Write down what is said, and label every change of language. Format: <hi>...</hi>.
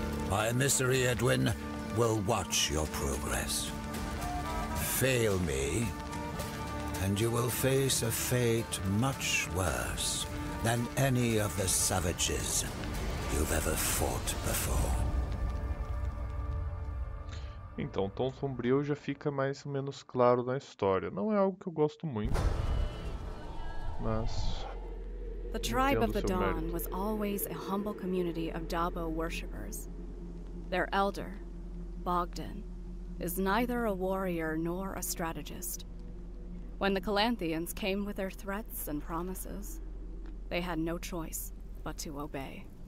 <en>My emissary, Edwin, will watch your progress. Fail me, and you will face a fate much worse than any of the savages you've ever fought before.</en> <pt>Então, Tom Sombrio já fica mais ou menos claro na história. Não é algo que eu gosto muito, mas</pt> <en>The Tribe of the Dawn was always a humble community of Dabo worshippers. Their elder, Bogdan, is neither a warrior nor a strategist. When the Calantheans came with their threats and promises, they had no choice but to obey.</en>